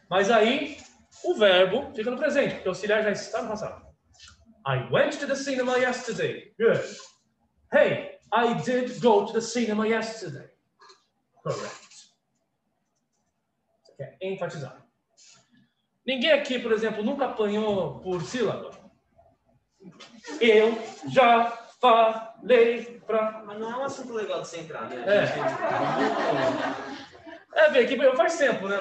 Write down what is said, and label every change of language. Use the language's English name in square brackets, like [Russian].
[Portuguese] Mas aí, o verbo fica no presente, porque o auxiliar já está no passado. [English] I went to the cinema yesterday. Good. Hey, I did go to the cinema yesterday. Correct. Okay, [Portuguese] enfatizar. Ninguém aqui, por exemplo, nunca apanhou por sílaba. Eu já falei pra... Mas não é um assunto legal de você entrar, né? É, vem aqui, faz tempo, né?